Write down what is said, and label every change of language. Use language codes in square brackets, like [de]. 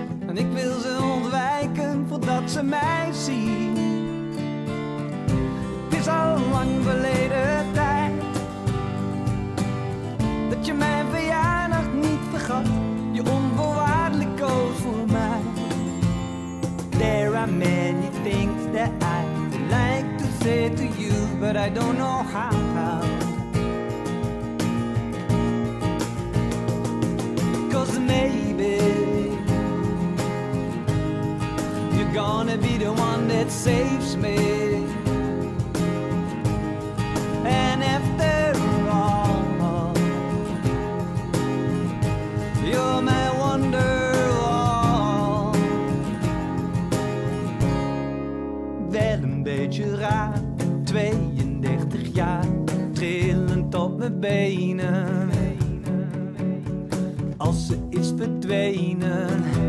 [nl] En ik wil ze ontwijken voordat ze mij zien. Het is al lang verleden tijd dat je mijn verjaardag niet vergat. Je onvoorwaardelijk koos voor mij. [en] There are many things that I would like to say to you, but I don't know how. 'Cause maybe you're gonna be the one that saves me. And after all, you're my wonderwall. [nl] Wel een beetje raar, 32 jaar, trillend op mijn benen. Als ze is verdwenen.